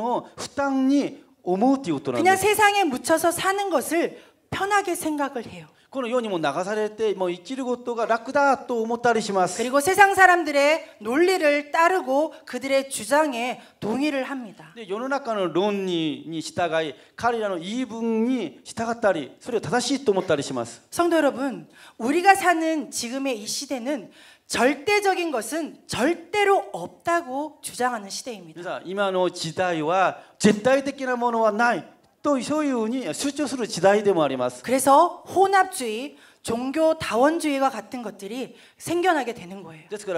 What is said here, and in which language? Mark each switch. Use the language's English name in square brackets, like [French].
[Japanese] しかし不思議にもイエス様を信じている人々がこの世と区別した生き方をするのを負担に思うということなんです。 [Korean] 그냥 세상에 묻혀서 사는 것을 편하게 생각을 해요. [Japanese] この世にも流されてもう生きることが楽だと思ったりします。 [Korean] 그리고 세상 사람들의 논리를 따르고 그들의 주장에 동의를 합니다. [Japanese] 世の中の論理に従い彼らの言い分に従ったりそれを正しいと思ったりします。 [Korean] 성도 여러분, 우리가 사는 지금의 이 시대는 절대적인 것은 절대로 없다고 주장하는 시대입니다. [Japanese] 今の時代は絶対的なものはない。 또そういうふうに主張する時代でもあります。 [Korean] 그래서 혼합주의, 종교 다원주의와 같은 것들이 생겨나게 되는 거예요.